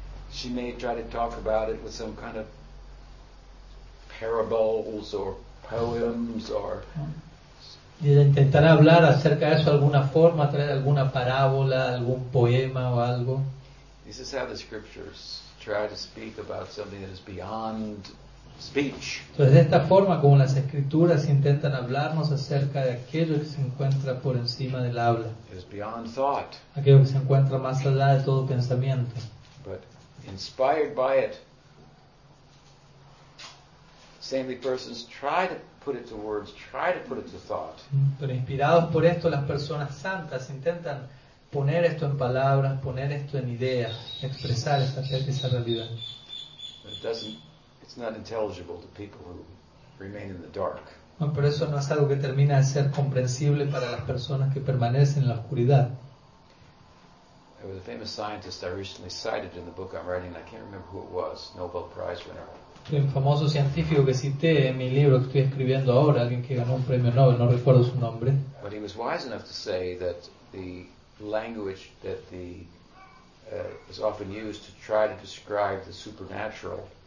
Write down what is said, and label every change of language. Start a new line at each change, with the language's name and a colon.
English: She may try to talk about it with some kind of parables or poems or.
Spanish: Y intentará hablar acerca de eso de alguna forma, a través de alguna parábola, algún poema o algo.
English: This is how the scriptures try to speak about something that is beyond speech.
Spanish: Entonces, de esta forma como las escrituras intentan hablarnos acerca de aquello que se encuentra por encima del habla.
English: It's beyond thought.
Spanish: Aquello que se encuentra más allá de todo pensamiento.
English: But inspired by it, saintly persons try to put it to words, try to put it to thought.
Spanish: Pero inspirados por esto, las personas santas intentan poner esto en palabras, poner esto en ideas, expresar esa realidad.
English: It's not intelligible to people who remain in the dark.
Spanish: No, pero eso no es algo que termina de ser comprensible para las personas que permanecen en la oscuridad.
English: There was a famous scientist I recently cited in the book I'm writing. I can't remember who it was. Nobel Prize winner.
Spanish: Un famoso científico que cité en mi libro que estoy escribiendo ahora, alguien que ganó un premio Nobel. No recuerdo su nombre.
English: But he was wise enough to say that the language that the is often used to try to describe the supernatural.